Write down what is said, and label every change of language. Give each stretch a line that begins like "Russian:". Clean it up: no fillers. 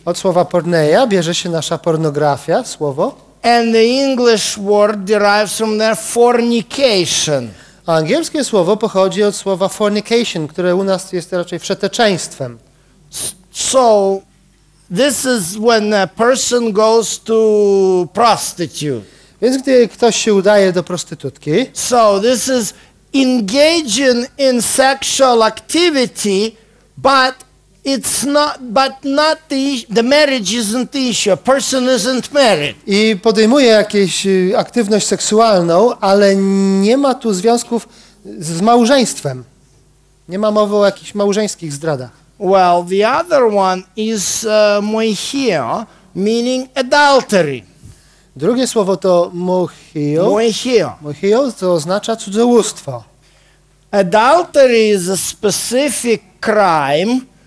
Polish: Od słowa porneia bierze się nasza pornografia, słowo.
English: And the English word derives from their fornication.
Polish: Angielskie słowo pochodzi od słowa fornication, które u nas jest raczej wszeteczeństwem.
English: So this is when a person goes to prostitute.
Polish: Więc gdy ktoś się udaje do prostytutki.
English: So this is engaging in sexual activity, but it's not, but not the issue. The marriage isn't the issue. A person isn't married.
Polish: I podejmuje jakąś aktywność seksualną, ale nie ma tu związków z małżeństwem. Nie ma mowy o jakichś małżeńskich zdradach.
English: Well, the other one is moicheia, meaning adultery.
Polish: Drugie słowo to moicheia. Moicheia. Moicheia to oznacza cudzołóstwo.
English: Adultery is a specific crime.